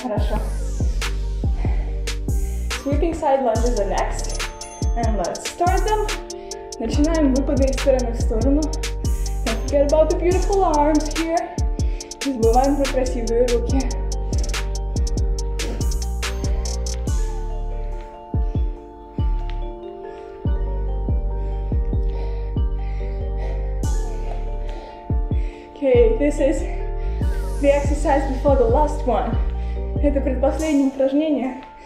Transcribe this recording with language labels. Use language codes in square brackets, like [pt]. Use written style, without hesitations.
[en] Sweeping side lunges are next, and let's start them. [ru] Начинаем выпады из стороны в сторону. [en] Don't forget about the beautiful arms here. [ru] Не забываем про красивые руки. [en] Okay, this is the exercise before the last one. [ru] Это предпоследнее упражнение.